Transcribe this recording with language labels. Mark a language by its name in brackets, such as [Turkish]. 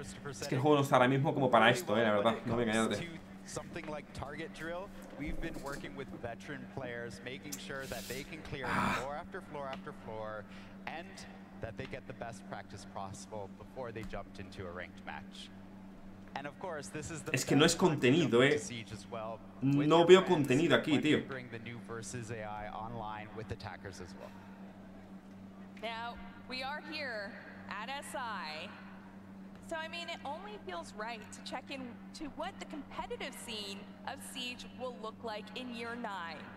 [Spanish] Es que el juego no está ahora mismo como para esto, la verdad. No me engañes. [English] Something like target drill, we've been working with veteran players, making sure that they can clear floor after floor after floor, and that they get the best practice possible before they jumped into a ranked match. And of course, this is the. [Spanish] Es que no es contenido, No veo contenido aquí, tío. [English] Bring the new versus AI online with attackers as well. Now we are here at SI. So I mean, it only feels right to check in to what the competitive scene of Siege will look like in year 9.